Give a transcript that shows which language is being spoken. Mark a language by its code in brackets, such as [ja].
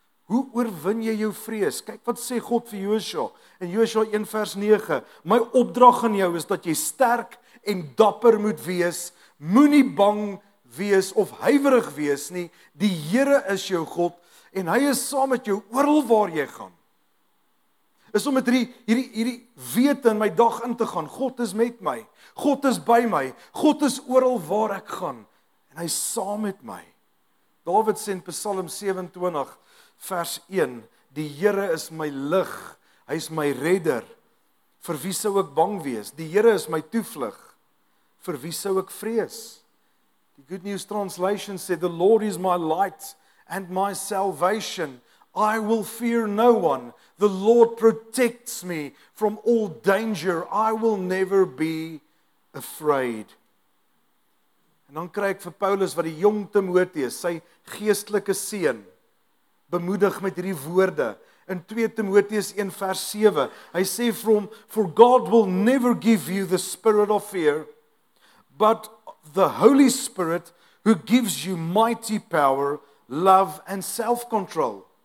[af] Hoe oorwin jy jou vrees? Kyk wat sê God vir Joshua in Joshua 1 vers 9. My opdrag aan jou is dat jy sterk en dapper moet wees. Moenie bang wees of huiwerig wees nie. Die Here is jou God en hy is saam met jou oral waar jy gaan. Is om met hierdie wete in my dag in te gaan. God is met my. God is by my. God is oral waar ek gaan en hy is saam met my. Dawid sê in Psalm 27 vers 1, die Here is my lig, hy is my redder, vir wie sou ek bang wees? Die Here is my toevlug, vir wie sou ek vrees? Die Good News Translation sê, [en] the Lord is my light and my salvation, I will fear no one, the Lord protects me from all danger, I will never be afraid. [af] En dan kry ek vir Paulus wat die jong Timoteus, sy geestelike seun, bemoedig met hierdie woorde. In 2 Timoteus 1 vers 7, hy sê vir hom, [en] for God will never give you the spirit of fear, but the Holy Spirit who gives you mighty power, love and self-control.